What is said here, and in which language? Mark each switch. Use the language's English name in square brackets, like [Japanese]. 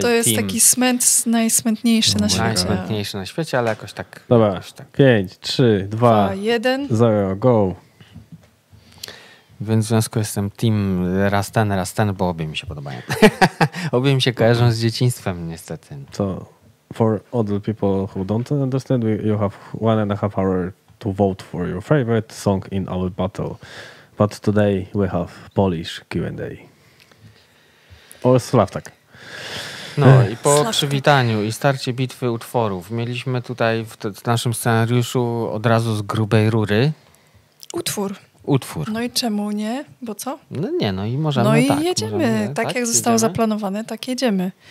[Polish] To jest taki smęt najsmętniejszy na świecie. Najsmętniejszy na świecie, ale jakoś tak... Dobra, jakoś tak. 5, 3, 2, 1. 0, go. Więc w związku jestem team raz ten, bo obie mi się podobają. Obie mi się kojarzą z dzieciństwem niestety. [English] So, for other people who don't understand, you have 1.5 hours to vote for your favorite song in our battle. But today we have Polish Q&A. [Polish] O, Slavtak. No i po przywitaniu i starcie bitwy utworów mieliśmy tutaj w naszym scenariuszu od razu z grubej rury. Utwór. No i czemu nie? Bo co? No nie, no i możemy No i tak, jedziemy. Tak jak zostało zaplanowane, tak jedziemy.